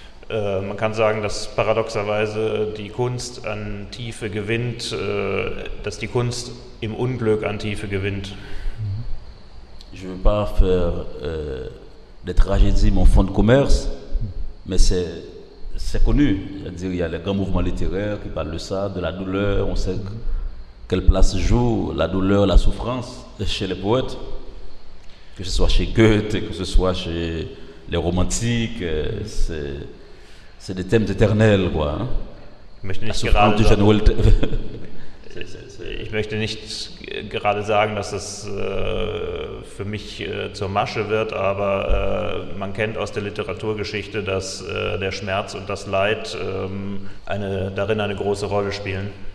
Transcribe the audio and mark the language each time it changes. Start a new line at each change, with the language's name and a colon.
German: Man kann sagen, dass paradoxerweise die Kunst an Tiefe gewinnt, dass die Kunst im Unglück an Tiefe gewinnt.
French: Je ne veux pas faire des tragédies mon fonds de commerce. Mais c'est connu, c'est-à-dire il y a les grands mouvements littéraires qui parlent de ça, de la douleur, on sait quelle place joue la douleur, la souffrance chez les poètes, que ce soit chez Goethe, que ce soit chez les romantiques, c'est des thèmes éternels, quoi. Hein? La souffrance du jeune Voltaire.
German: Ich möchte nicht gerade sagen, dass es für mich zur Masche wird, aber man kennt aus der Literaturgeschichte, dass der Schmerz und das Leid darin eine große Rolle spielen.